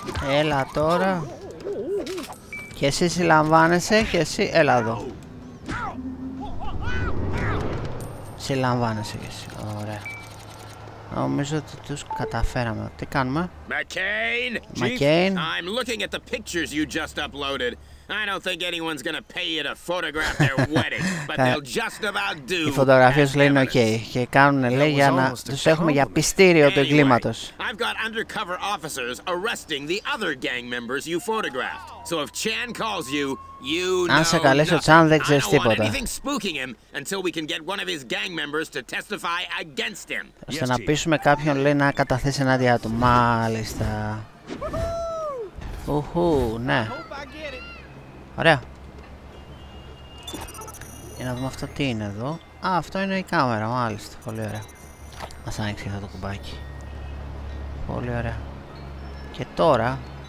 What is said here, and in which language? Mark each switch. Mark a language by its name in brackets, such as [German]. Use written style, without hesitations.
[Greek] Έλα τώρα. Και εσύ συλλαμβάνεσαι και εσύ. Έλα εδώ. Συλλαμβάνεσαι κι εσύ. Ωραία. Νομίζω ότι τους καταφέραμε. Τι κάνουμε? [English] McCain! McCain! I'm looking at the pictures you just uploaded. I don't think anyone's gonna pay you to photograph their wedding, but they'll just about do. [Greek] Οι φωτογραφίες λένε οκ. [English] Okay. [Greek] Και κάνουν λέει για να τους έχουμε για πιστήριο του εγκλήματος. [English] I've got undercover officers arresting the other gang members you photographed. So if Chan calls you, you know. [Greek] Αν σε καλέσει ο Τσάν, δεν ξέρεις τίποτα. [English] Anything spooking him until we can get one of his gang members to testify against him. [Greek] Ώστε να πείσουμε κάποιον λέει να καταθέσει ενάντια του. Μάλιστα. Ουχού, ναι. Ωραία. Για να δούμε αυτό τι είναι εδώ. Α, αυτό είναι η κάμερα, μάλιστα. Πολύ ωραία. Μας άνοιξε αυτό το κουμπάκι. Πολύ ωραία. Και τώρα...